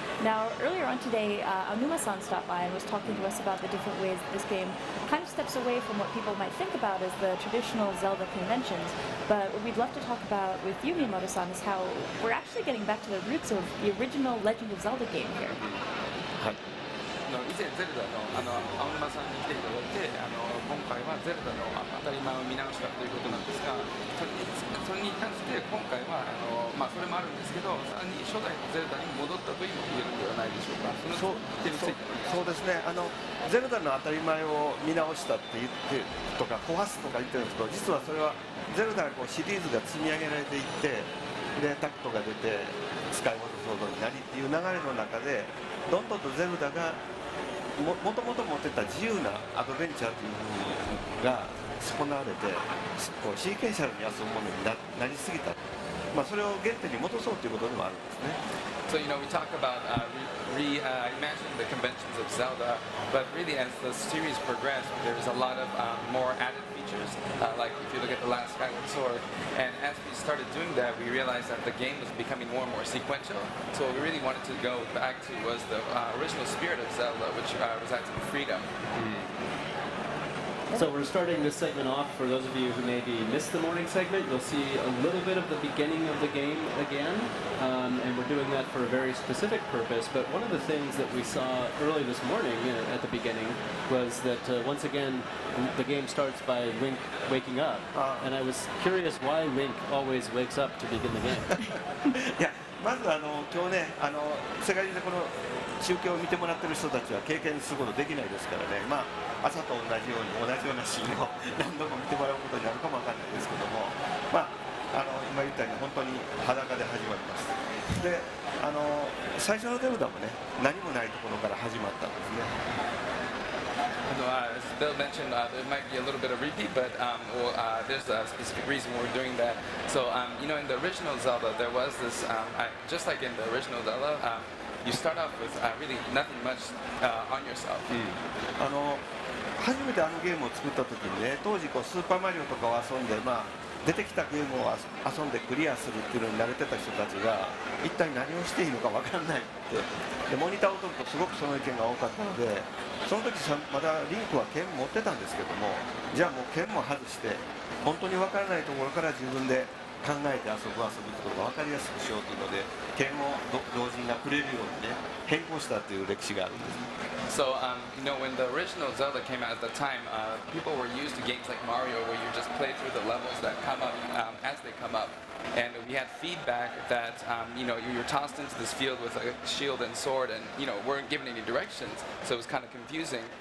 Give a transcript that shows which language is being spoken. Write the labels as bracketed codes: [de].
[en] Now, earlier on today, Anuma-san stopped by and was talking to us about the different ways that this game kind of steps away from what people might think about as the traditional Zelda conventions. But what we'd love to talk about with you, Miyamoto-san, is how we're actually getting back to the roots of the original Legend of Zelda game here. [ja] 以前ゼルダ の, あの青沼さんに来ていただいて、あの今回はゼルダの当たり前を見直したということなんですが、それに関して今回はあの、まあ、それもあるんですけど、さらに初代のゼルダに戻ったというのも言えるのではないでしょうか。そうですね、あのゼルダの当たり前を見直したって言ってとか壊すとか言ってるんですけど、実はそれはゼルダのこうシリーズが積み上げられていって、レータクトが出て使い物騒動になりっていう流れの中で、どんどんとゼルダがもともと持ってた自由なアドベンチャーというものが損なわれて、こうシーケンシャルに遊ぶものに なりすぎた、まあ、それを原点に戻そうということでもあるんですね。 [en] So, you know, we talk about reimagining the conventions of Zelda, but really as the series progressed, there was a lot of more added features, like if you look at the last Skyward Sword. And as we started doing that, we realized that the game was becoming more and more sequential. So what we really wanted to go back to was the original spirit of Zelda, which resides in freedom. So we're starting this segment off. For those of you who maybe missed the morning segment, you'll see a little bit of the beginning of the game again. And we're doing that for a very specific purpose. But one of the things that we saw early this morning at the beginning was that once again, the game starts by Link waking up. And I was curious why Link always wakes up to begin the game. Yeah. [ja] まずあの今日ね、あの世界中でこの中継を見てもらってる人たちは経験することできないですからね、まあ、朝と同じように同じようなシーンを何度も見てもらうことになるかもわかんないですけども、まあ、あの今言ったように本当に裸で始まります。で、あの最初のゼルダもね、何もないところから始まったんですね。 [en] As Bill mentioned, there might be a little bit of repeat, but there's a specific reason we're doing that. So, you know, in the original Zelda, there was this, just like in the original Zelda, you start off with really nothing much on yourself. [ja] あの、初めてあのゲームを作った時にね、当時こうスーパーマリオとかを遊んで、まあ、出てきたゲームを遊んでクリアするっていうのに慣れてた人たちが、一体何をしていいのか分かんないって。で、モニターを撮るとすごくその意見が多かったので、その時まだリンクは剣持ってたんですけども、じゃあもう剣も外して、本当に分からないところから自分で考えて遊ぶってことが分かりやすくしようというので、剣を同時に振れるようにね、変更したという歴史があるんです。 [en] So, you know, when the original Zelda came out at the time, people were used to games like Mario, where you just play through the levels that come up as they come up. And we had feedback that, you know, you were tossed into this field with a shield and sword and, you know, weren't given any directions. So it was kind of confusing.